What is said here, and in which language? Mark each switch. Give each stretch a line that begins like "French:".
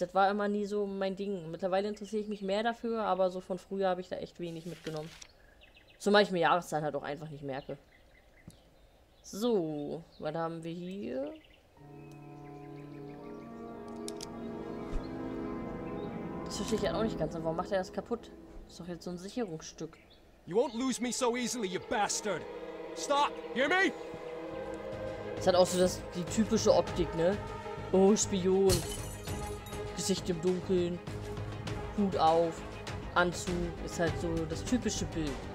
German: Das war immer nie so mein Ding. Mittlerweile interessiere ich mich mehr dafür, aber so von früher habe ich da echt wenig mitgenommen. Zumal ich mir Jahreszahlen halt auch einfach nicht merke. So, was haben wir hier? Das verstehe ich ja auch nicht ganz. Warum macht er das kaputt? Das ist doch jetzt so ein Sicherungsstück.
English: You won't lose me so easily, you bastard! Stop! Hear me?
German: Das hat auch so das, die typische Optik, ne? Oh, Spion. Gesicht im Dunkeln. Hut auf. Anzug. Ist halt so das typische Bild.